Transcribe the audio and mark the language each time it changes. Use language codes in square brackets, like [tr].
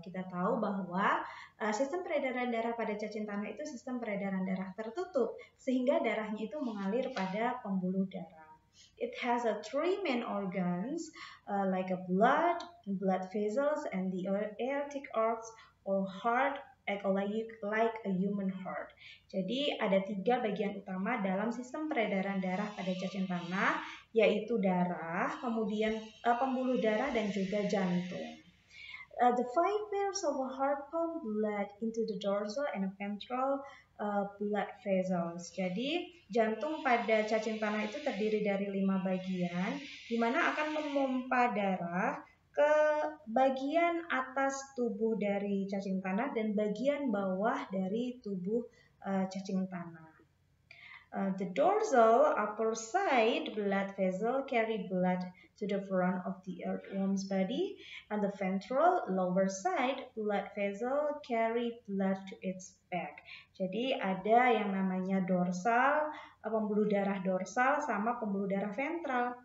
[id] Kita tahu bahwa sistem peredaran darah pada cacing tanah itu sistem peredaran darah tertutup, sehingga darahnya itu mengalir pada pembuluh darah. [en] It has a three main organs, like a blood vessels, and the aortic arcs, or heart, like a human heart. [id] Jadi, ada tiga bagian utama dalam sistem peredaran darah pada cacing tanah, yaitu darah, kemudian pembuluh darah, dan juga jantung. [en] The five pairs of a heart pump blood into the dorsal and ventral blood vessels. [id] Jadi, jantung pada cacing tanah itu terdiri dari 5 bagian, di mana akan memompa darah ke bagian atas tubuh dari cacing tanah dan bagian bawah dari tubuh cacing tanah. [en] The dorsal upper side blood vessel carry blood to the front of the earthworm's body, and the ventral lower side blood vessel carry blood to its back. [id] Jadi ada yang namanya dorsal, pembuluh darah dorsal sama pembuluh darah ventral.